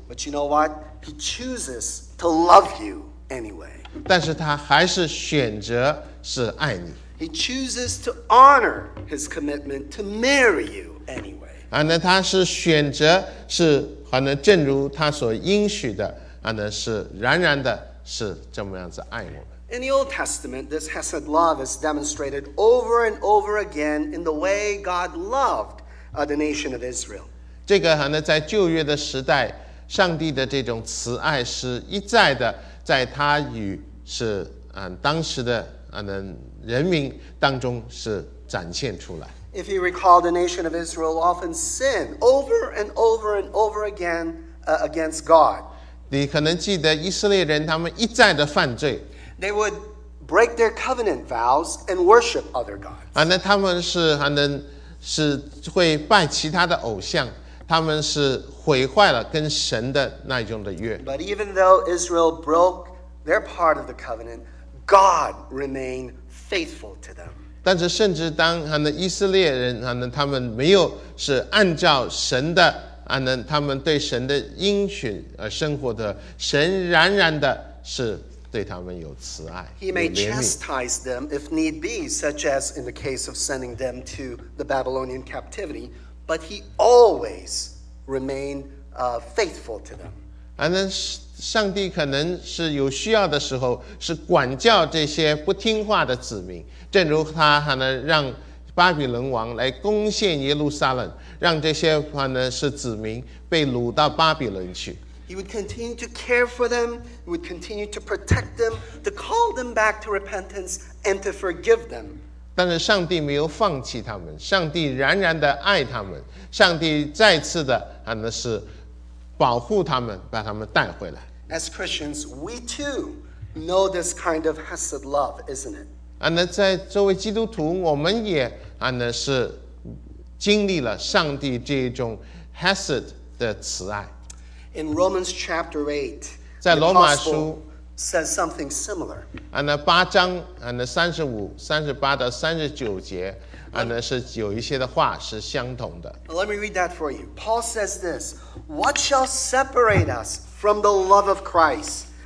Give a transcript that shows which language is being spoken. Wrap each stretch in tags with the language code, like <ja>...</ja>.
<en>But you know what? He chooses to love you anyway.</en> <zh>但是他还是选择是爱你。</zh> <en>He chooses to honor his commitment to marry you anyway.</en> <zh>那他是选择是可能正如他所应许的，那是然然的是这么样子爱我。</zh> <en>In the Old Testament, this chesed love is demonstrated over and over again in the way God loved the nation of Israel.</en> <zh>这个呢，在旧约的时代，上帝的这种慈爱是一再的，在他与是当时的人民当中是展现出来。</zh> <en>If you recall, the nation of Israel often sinned over and over and over again against God.</en> <zh>你可能记得以色列人他们一再的犯罪。</zh> <en>They would break their covenant vows and worship other gods.</en> <zh>那他们是会拜其他的偶像，他们是毁坏了跟神的那一种的约。</zh> <en>But even though Israel broke their part of the covenant, God remained faithful to them.</en> <zh>但是甚至当以色列人他们没有是按照神的他们对神的应许而生活的，神仍然的是。对他们有慈爱,</zh> <en>He may chastise them if need be, such as in the case of sending them to the Babylonian captivity, but he always remained faithful to them.</en> <zh>上帝可能是有需要的时候是管教这些不听话的子民，正如他让巴比伦王来攻陷耶路撒冷，让这些是子民被掳到巴比伦去。</zh> <en>He would continue to care for them, he would continue to protect them, to call them back to repentance and to forgive them.</en> <zh>但是上帝没有放弃他们，上帝仍然的爱他们，上帝再次的是保护他们，把他们带回来。</zh> <en>As Christians, we too know this kind of chesed love, isn't it?</en> <zh>在作为基督徒，我们也是经历了上帝这种 chesed 的慈爱。</zh> <en>In Romans chapter 8,</en> <zh>在罗马书</zh> <en>says something similar.</en> <zh>八章35-39节是有一些的话是相同的。</zh> <en>Let me read that for you. Paul says this, What shall separate us from the love of Christ?</en>